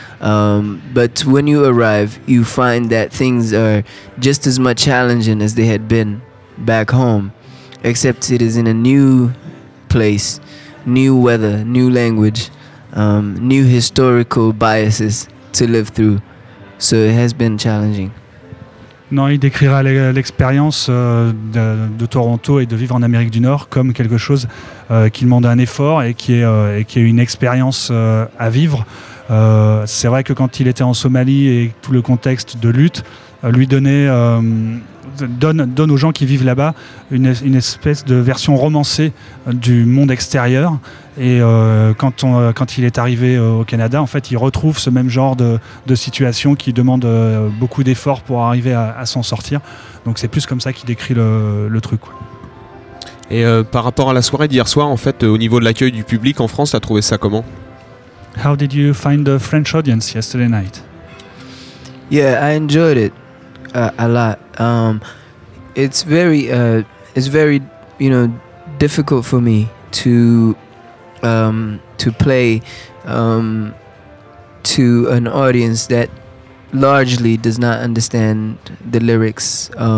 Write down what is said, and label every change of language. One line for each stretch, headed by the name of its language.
English: But when you arrive, you find that things are just as much challenging as they had been back home, except it is in a new place, new weather, new language, new historical biases to live through. So it has been challenging.
French: Non, il décrira l'expérience de Toronto et de vivre en Amérique du Nord comme quelque chose qui demande un effort et qui est une expérience à vivre. C'est vrai que quand il était en Somalie et tout le contexte de lutte lui donnait donne aux gens qui vivent là-bas une espèce de version romancée du monde extérieur. Et quand il est arrivé au Canada, en fait, il retrouve ce même genre de situation qui demande beaucoup d'efforts pour arriver à s'en sortir. Donc c'est plus comme ça qu'il décrit le truc, quoi. Et par rapport à la soirée d'hier soir, en fait, au niveau de l'accueil du public en France, t'as trouvé ça comment?
English: How did you find the French audience yesterday night? Yeah, I enjoyed it a lot. It's very, you know, difficult for me to play to an audience that largely does not understand the lyrics.